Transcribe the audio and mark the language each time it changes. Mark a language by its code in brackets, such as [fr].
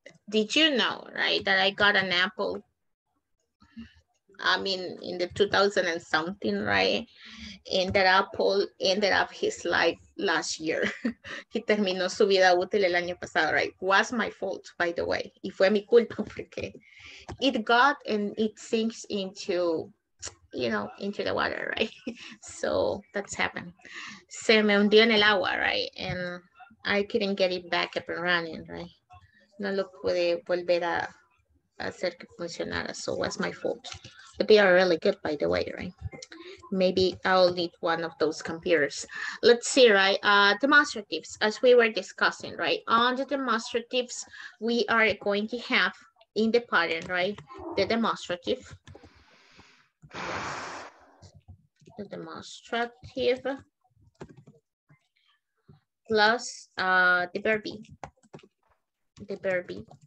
[en] Did you know, right, that I got an Apple? I mean, in the 2000 and something, right? And that Apple ended up his life last year. [es] He terminó su vida útil el año pasado, right? [en] Was my fault, by the way. [es] Y fue mi culpa porque [en] it got and it sinks into, you know, into the water, right? So that's happened. [es] Se me hundió en el agua, right? [en] And I couldn't get it back up and running, right? [es] No lo pude volver a hacer que funcionara. [en] So was my fault. But they are really good, by the way, right? Maybe I'll need one of those computers. Let's see, right? Demonstratives, as we were discussing, right? On the demonstratives, we are going to have in the pattern, right? The demonstrative. The demonstrative plus the verb be. The verb be.